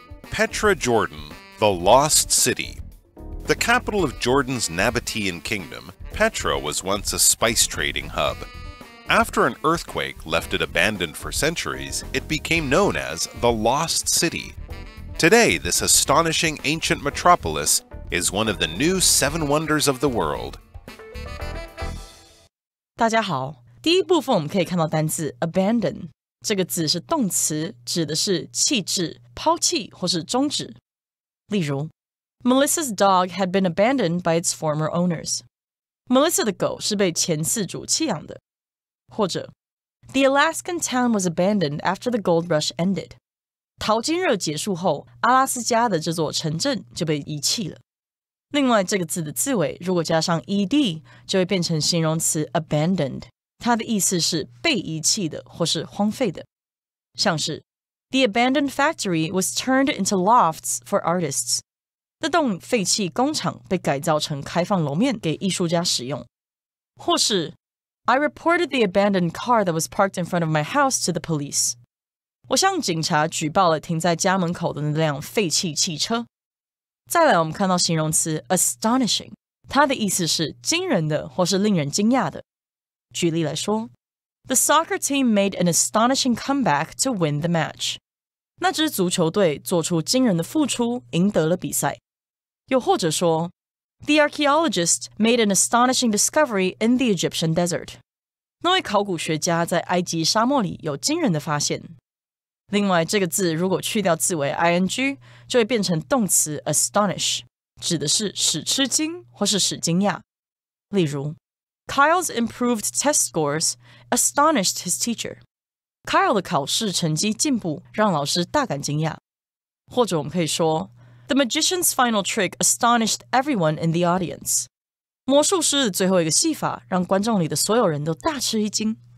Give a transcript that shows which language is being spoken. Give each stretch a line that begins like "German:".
English: Petra, Jordan, the Lost City. The capital of Jordan's Nabataean kingdom, Petra was once a spice trading hub. After an earthquake left it abandoned for centuries, it became known as the Lost City. Today, this astonishing ancient metropolis is one of the new seven wonders of the world.
Chinese: 大家好，第一部分我们可以看到单字 abandon， 这个字是动词，指的是弃置、抛弃或是终止。例如
English: ，Melissa's dog had been abandoned by its former owners.
Chinese: Melissa 的狗是被前饲主弃养的。或者
English: ，The Alaskan town was abandoned after the gold rush ended.
Chinese: 淘金热结束后，阿拉斯加的这座城镇就被遗弃了。另外，这个字的字尾如果加上 ed， 就会变成形容词 abandoned， 它的意思是被遗弃的或是荒废的。像是
English: ，The abandoned factory was turned into lofts for artists.
Chinese: 那栋废弃工厂被改造成开放楼面给艺术家使用。或是。
English: I reported the abandoned car that was parked in front of my house to the police.
Chinese: 我向警察举报了停在家门口的那辆废弃汽车。再来，我们看到形容词 astonishing， 它的意思是惊人的或是令人惊讶的。举例来说
English: ，The soccer team made an astonishing comeback to win the match.
Chinese: 那支足球队做出惊人的复出，赢得了比赛。又或者说。
English: The archaeologist made an astonishing discovery in the Egyptian desert.
Chinese: 那位考古学家在埃及沙漠里有惊人的发现。另外，这个字如果去掉字尾 ing， 就会变成动词 astonish， 指的是使吃惊或是使惊讶。例如
English: ，Kyle's improved test scores astonished his teacher.
Chinese: Kyle 的考试成绩进步让老师大感惊讶。或者我们可以说。
English: The magician's final trick astonished everyone in the audience.
Chinese: 魔术师的最后一个戏法让观众里的所有人都大吃一惊。